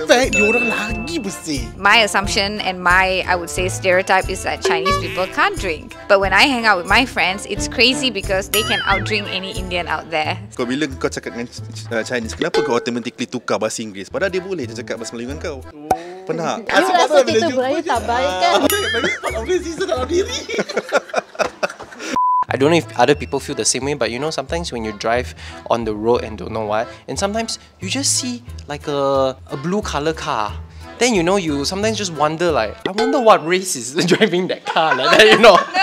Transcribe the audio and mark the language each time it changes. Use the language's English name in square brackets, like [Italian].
[English] My assumption and my, I would say, stereotype is that Chinese people can't drink. But when I hang out with my friends, it's crazy because they can outdrink any Indian out there. [Malay] Kau bila kau cakap dengan Chinese, kenapa kau automatically tukar bahasa Inggeris? Padahal dia boleh je cakap bahasa Melayu dengan kau. Pernah? Kau rasa kita berani tak baik kan? [English] I don't know if other people feel the same way, but you know, sometimes when you drive on the road and don't know why, and sometimes you just see like a blue color car, then you know, you sometimes just wonder like, I wonder what race is driving that car, like that, you know?